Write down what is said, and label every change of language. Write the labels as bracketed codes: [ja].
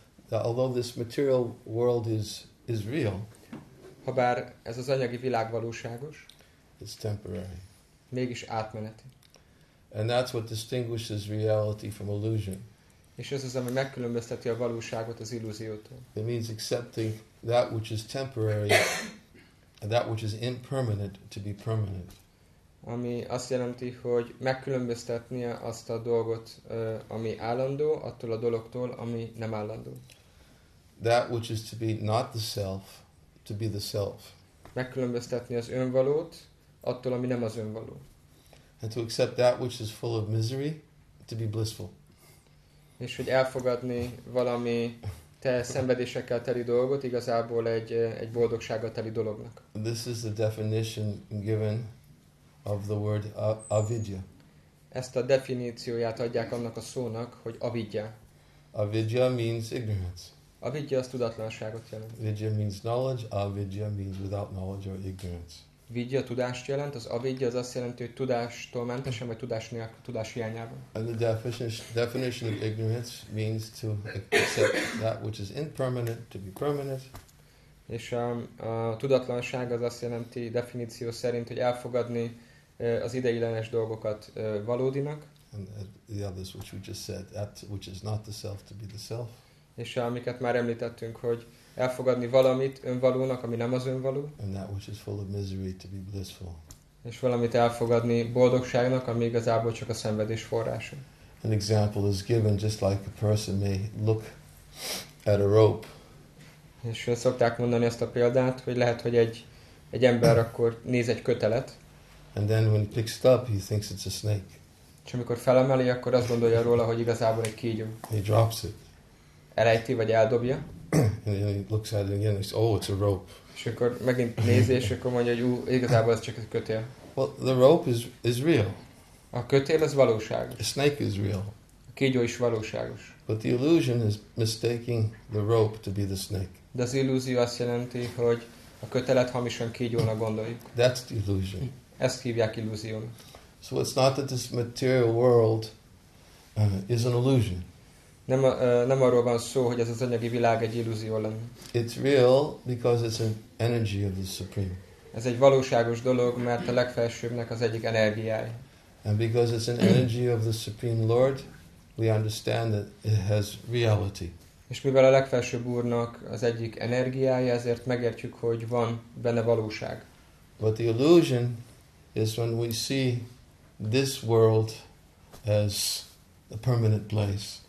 [en] although this material world is real, [hu] habár ez az anyagi világ valóságos, [en] it's temporary. [hu] Mégis átmeneti. [en] And that's what distinguishes reality from illusion. [hu] És ez az, ami megkülönbözteti a valóságot az illúziótól. [en] It means accepting that which is temporary and that which is impermanent to be permanent. [hu] Ami azt jelenti, hogy megkülönböztetnie azt a dolgot, ami állandó, attól a dologtól, ami nem állandó. [en] That which is to be not the self, to be the self. [hu] Megkülönböztetni az önvalót, attól, ami nem az önvaló. [en] And to accept that which is full of misery, to be blissful. [hu] És hogy elfogadni valami te szenvedésekkel teli dolgot, igazából egy boldogsággal teli dolognak. [en] This is the definition given of the word avidya. [hu] Ezt a definícióját adják annak a szónak, hogy avidya. [en] Avidya means ignorance. [hu] Avidya az tudatlanságot jelent. [en] Vidya means knowledge, avidya means without knowledge or ignorance. [hu] Vidya tudást jelent, az avidya az azt jelenti, hogy tudástól mentesen, vagy tudás hiányában. [en] And the definition of ignorance means to accept that which is impermanent, to be permanent. [hu] És a tudatlanság az azt jelenti definíció szerint, hogy elfogadni az ideiglenes dolgokat valódinak. [en] And the others which we just said, that which is not the self to be the self. [hu] És amiket már említettünk, hogy elfogadni valamit önvalónak, ami nem az önvaló. [en] And that which is full of misery to be blissful. [hu] És valamit elfogadni boldogságnak, ami igazából csak a szenvedés forrása. [en] An example is given, just like a person may look at a rope. [hu] És szokták mondani ezt a példát, hogy lehet, hogy egy ember akkor néz egy kötelet. [en] And then when he picks it up, he thinks it's a snake. [hu] És amikor felemeli, akkor azt gondolja róla, hogy igazából egy kígyó. [en] He drops it. [hu] Elejti, vagy eldobja. [en] And then he looks at it again, he says, oh, it's a rope. [hu] És akkor megint nézi, és akkor mondja, hogy igazából ez csak egy kötél. [en] Well, the rope is real. [hu] A kötél az valóságos. [en] A snake is real. [hu] A kígyó is valóságos. [en] But the illusion is mistaking the rope to be the snake. [hu] De az illúzió azt jelenti, hogy a kötelet hamisan kígyónak gondoljuk. [en] That's the illusion. [hu] Ezt hívják illúziónak. [en] So it's not that this material world is an illusion. [hu] Nem arról van szó, hogy ez az anyagi világ egy illúzió lenne. [en] It's real because it's an energy of the supreme. [hu] Ez egy valóságos dolog, mert a legfelsőbbnek az egyik energiája. [en] And because it's an energy of the supreme Lord, we understand that it has reality. [hu] És mivel a legfelsőbb úrnak az egyik energiája, ezért megértjük, hogy van benne valóság. [en] But the illusion is when we see this world as a permanent place.